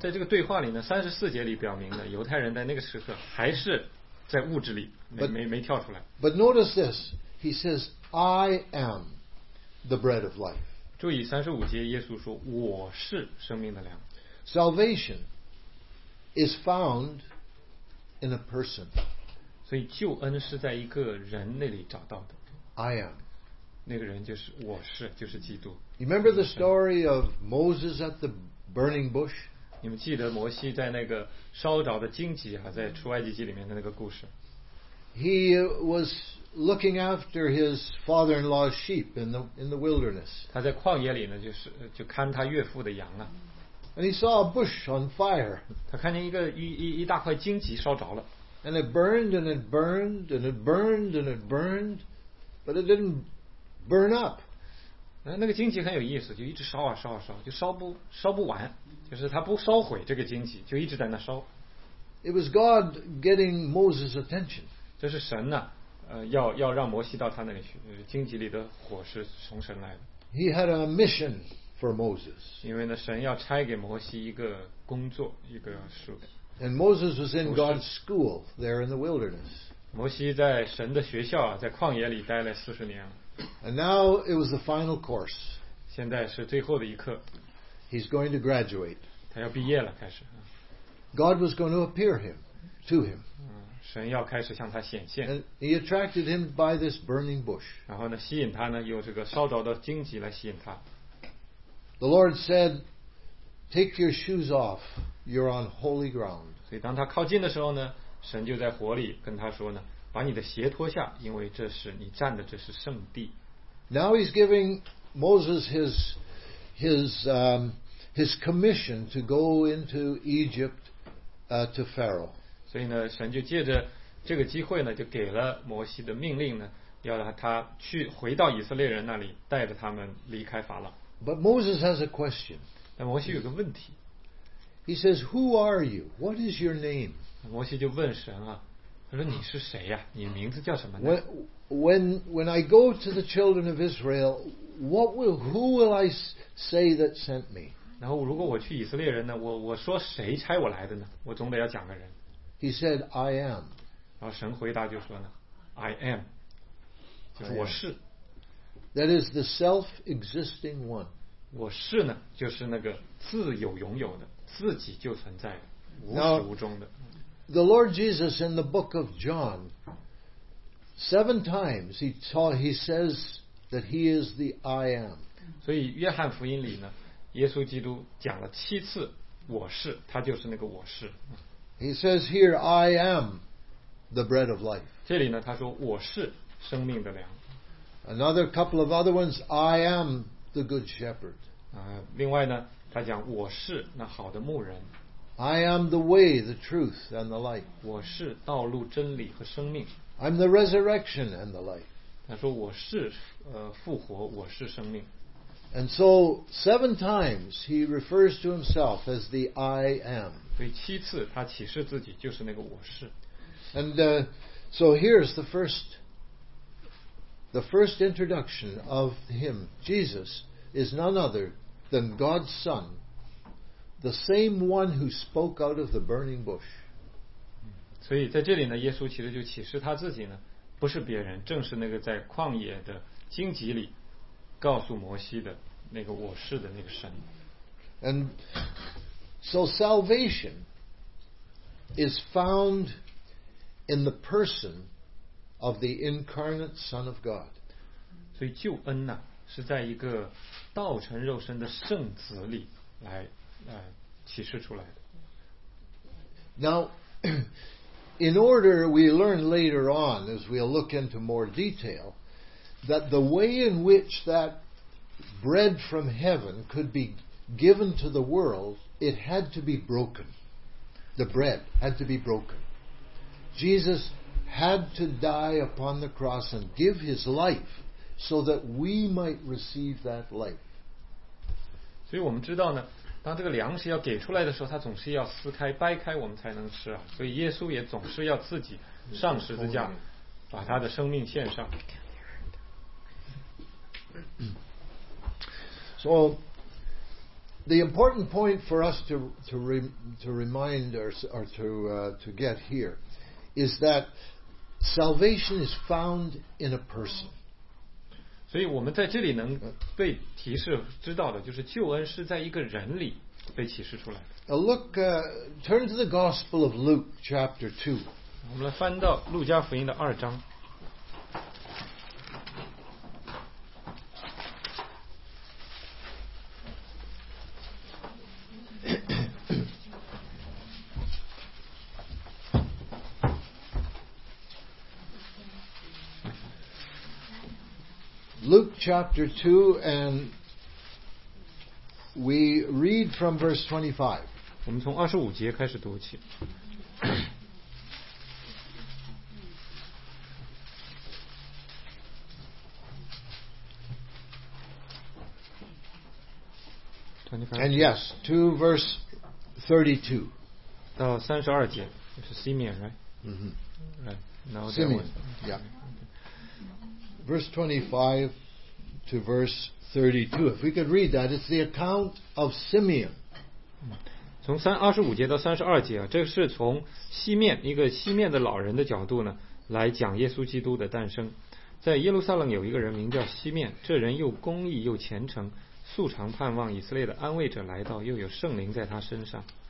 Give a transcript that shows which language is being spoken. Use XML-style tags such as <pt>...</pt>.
<zh>在这个对话里呢，三十四节里表明了犹太人在那个时刻还是在物质里没跳出来。</zh> <en>But notice this, he says, "I am the bread of life."</en> <zh>注意三十五节，耶稣说我是生命的粮。</zh> <en>Salvation is found in a person.</en> <zh>所以救恩是在一个人那里找到的。</zh> <en>I am.</en> <zh>那个人就是我是，就是基督。</zh> <en>You remember the story of Moses at the burning bush?</en> <zh>你们记得摩西在那个烧着的荆棘啊，在出埃及记里面的那个故事。</zh> <en>He was looking after his father-in-law's sheep in the wilderness.</en> <zh>他在旷野里呢，就看他岳父的羊啊。</zh> <en>And he saw a bush on fire.</en> <zh>他看见一大块荆棘烧着了。</zh> <en>And it burned and it burned and it burned and it burned, but it didn't burn up.</en> <zh>那个荆棘很有意思，就一直烧啊烧啊烧，就烧不完，就是它不烧毁这个荆棘，就一直在那烧。</zh> <en>It was God getting Moses' attention.</en> <zh>这是神呢，要让摩西到他那里去。荆棘里的火是从神来的。</zh> <en>He had a mission for Moses.</en> <zh>因为呢，神要差给摩西一个工作，一个事。</zh> <en>And Moses was in God's school there in the wilderness.</en> <zh>摩西在神的学校，在旷野里待了四十年了。</zh> <en>And now it was the final course.</en> <zh>现在是最后的一课。</zh> <en>He's going to graduate.</en> <zh>他要毕业了，开始。</zh> <en>God was going to appear him, to him.</en> <zh>神要开始向他显现。</zh> <en>And he attracted him by this burning bush.</en> <zh>然后呢，吸引他呢，用这个烧着的荆棘来吸引他。</zh> <en>The Lord said, "Take your shoes off. You're on holy ground."</en> <zh>所以当他靠近的时候呢，神就在火里跟他说呢，把你的鞋脱下，因为这是你站的，这是圣地。</zh> <en>Now he's giving Moses his commission to go into Egypt to Pharaoh.</en> <zh>所以呢，神就借着这个机会呢，就给了摩西的命令呢，要让他去回到以色列人那里，带着他们离开法老。</zh> <en>But Moses has a question.</en> <zh>但摩西有个问题。</zh> <en>He says, "Who are you? What is your name?"</en> <zh>摩西就问神啊，他说你是谁呀？你名字叫什么呢？</zh> <en>When I go to the children of Israel, who will I say that sent me?</en> <zh>然后如果我去以色列人呢，我说谁差我来的呢？我总得要讲个人。</zh> <en>He said, "I am."</en> <zh>然后神回答就说呢 ，</zh> <en>"I am."</en> <zh>就是我是。</zh> <en>That is the self-existing one.</en> <zh>我是呢，就是那个自有拥有的，自己就存在的，无始无终的。</zh> <en>The Lord Jesus in the book of John, 7 times he says that he is the I am.</en> <zh>所以约翰福音里呢，耶稣基督讲了7次我是，他就是那个我是。</zh> <en>He says here, I am the bread of life.</en> <zh>这里呢，他说我是生命的粮。</zh> <en>Another couple of other ones, I am the good shepherd.</en> <zh>另外呢，他讲我是那好的牧人。</zh> <en>I am the way, the truth, and the life.</en> <zh>我是道路、真理和生命。</zh> <en>I'm the resurrection and the life.</en> <zh>他说我是复活，我是生命。</zh> <en>And so 7 times he refers to himself as the I am.</en> <zh>所以七次他启示自己就是那个我是。</zh> <en>And so here's the first introduction of him, Jesus, is none other than God's Son. The same one who spoke out of the burning bush.</en> <zh>所以在这里呢，耶稣其实就启示他自己呢，不是别人，正是那个在旷野的荆棘里告诉摩西的那个我是的那个神。</zh> <en>And so salvation is found in the person of the incarnate Son of God.</en> <zh>所以救恩呢，是在一个道成肉身的圣子里来。启示出来的。</zh> <en>Now, in order we learn later on, as we'll look into more detail, that the way in which that bread from heaven could be given to the world, it had to be broken. The bread had to be broken. Jesus had to die upon the cross and give his life so that we might receive that life.</en> <zh>所以我们知道呢，当这个粮食要给出来的时候，他总是要撕开、掰开，我们才能吃啊。所以耶稣也总是要自己上十字架，把他的生命献上。</zh> <en>So, the important point for us to remind us or to get here is that salvation is found in a person.</en> <zh>所以我们在这里能被提示知道的就是救恩是在一个人里。</zh> <en>Now look, turn to the Gospel of Luke, chapter 2.</en> <zh>我们来翻到路加福音的二章。</zh> <en>Luke, chapter 2, and we read from verse 25.</en> <zh>我们从二十五节开始读起。</zh> <en>And yes, to verse 32.</en> <zh>到三十二节，就是</zh> <en>Simeon, right? Mm-hmm. Right. Now Simeon. Yeah. Verse 25 to verse 32. If we could read that, it's the account of Simeon.</en> <zh>从25节到32节啊，这是从西面一个西面的老人的角度呢，来讲耶稣基督的诞生。在耶路撒冷有一个人名叫西面，这人又公义又虔诚，素常盼望以色列的安慰者来到，又有圣灵在他身上。</zh>